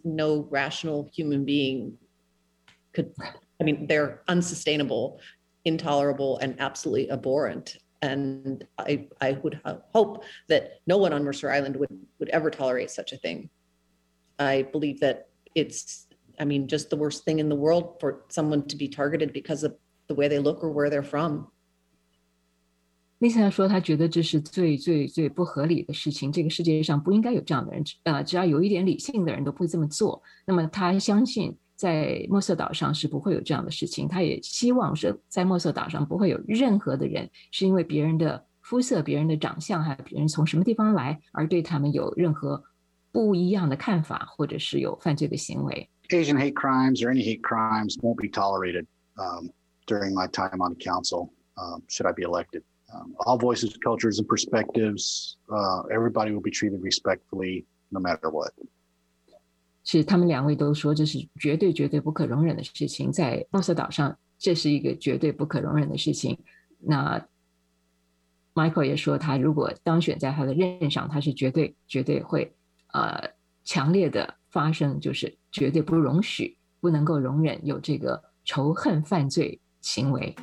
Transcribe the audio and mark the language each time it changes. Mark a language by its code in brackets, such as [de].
[en] No rational human being they're unsustainable, intolerable, and absolutely abhorrent. And I would hope that no one on Mercer Island would ever tolerate such a thing. I believe that it's just the worst thing in the world for someone to be targeted because of the way they look or where they're from. [zh] Lisa 说她觉得这是最最最不合理的事情，这个世界上不应该有这样的人，只要有一点理性的人都不会这么做。那么她相信在墨色岛上是不会有这样的事情，她也希望是在墨色岛上不会有任何的人是因为别人的肤色、别人的长相还有别人从什么地方来而对他们有任何不一样的看法，或者是有犯罪的行为。 [en] Asian hate crimes or any hate crimes won't be tolerated during my time on the council, should I be elected. All voices, cultures, and perspectives, everybody will be treated respectfully no matter what. [zh] 是他们两位都说这是绝对绝对不可容忍的事情，在墨色岛上这是一个绝对不可容忍的事情。那 Michael 也说他如果当选在他的任上，他是绝对绝对会强烈的发生，就是绝对不容许，不能够容忍有这个仇恨犯罪行为。